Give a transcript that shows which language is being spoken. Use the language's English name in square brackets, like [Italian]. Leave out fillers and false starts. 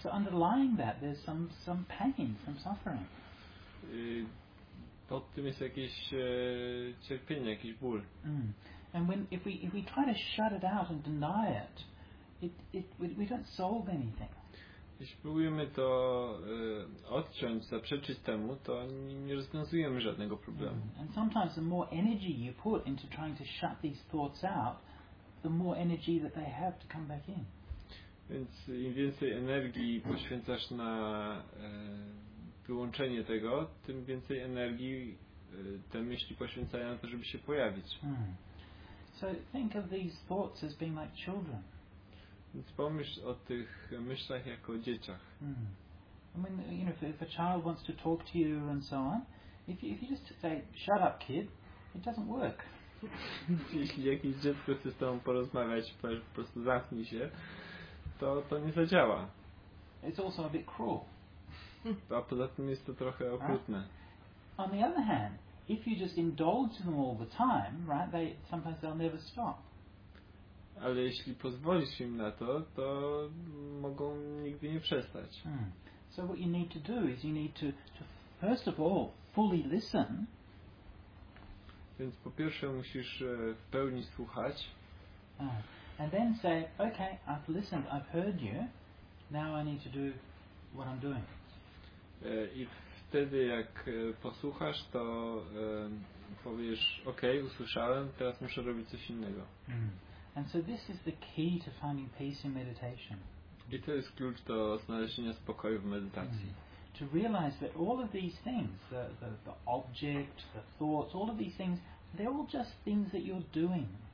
[English] So underlying that, there's some pain, some suffering. [Polish] Pod tym jest jakieś cierpienie, jakiś ból. [English] And if we try to shut it out and deny it, we don't solve anything. [Polish] Jeśli próbujemy to odciąć, zaprzeczyć temu, to nie rozwiązujemy żadnego problemu. [English] And sometimes the more energy you put into trying to shut these thoughts out, the more energy that they have to come back in. [Polish] Więc im więcej energii poświęcasz na wyłączenie tego, tym więcej energii te myśli poświęcają na to, żeby się pojawić. [English] So think of these thoughts as being like children. [Polish] Więc pomyśl o tych myślach jako o dzieciach. [English] I mean, you know, if a child wants to talk to you and so on, if you just say, shut up, kid, it doesn't work. [Polish] Jeśli jakieś dziecko chce z tobą porozmawiać, powiesz, po prostu zamknij się, to nie zadziała. [English] It's also a bit cruel. [Polish] A poza tym jest to trochę okrutne. [English] On the other hand, if you just indulge them all the time, right, sometimes they'll never stop. [Polish] Ale jeśli pozwolisz im na to, to mogą nigdy nie przestać. [English] So what you need to do is you need to first of all fully listen. [Polish] Więc po pierwsze musisz w pełni słuchać. [English] And then say, okay, I've listened, I've heard you. Now I need to do what I'm doing. [Polish] I wtedy jak posłuchasz, to powiesz, okay, usłyszałem, teraz muszę robić coś innego. [English] And so this is the key to finding peace in meditation. [Polish] I to jest klucz do znalezienia spokoju w medytacji. [English] To realize that all of these things, the object, the thoughts, all of these things, they're all just things that you're doing.